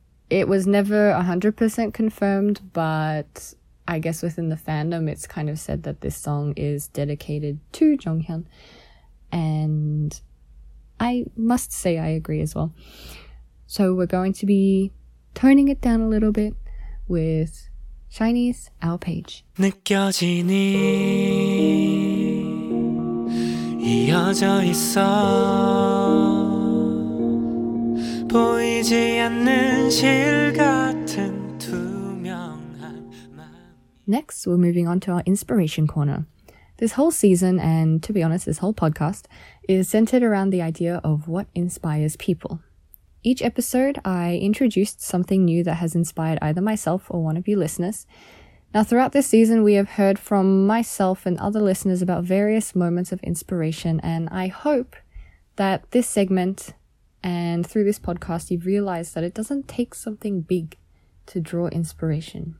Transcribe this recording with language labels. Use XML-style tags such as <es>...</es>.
<en>It was never 100% confirmed, but I guess within the fandom it's kind of said that this song is dedicated to Jonghyun, and I must say I agree as well. So we're going to be toning it down a little bit with SHINee's Our Page.</en> <ko>느껴지니 이어져 있어 보이지 않는 실 같은 투명한 마음.</ko> <en>Next, we're moving on to our inspiration corner. This whole season, and to be honest, this whole podcast, is centered around the idea of what inspires people. Each episode, I introduced something new that has inspired either myself or one of you listeners. Now, throughout this season, we have heard from myself and other listeners about various moments of inspiration, and I hope that this segment and through this podcast, you've realized that it doesn't take something big to draw inspiration.</en>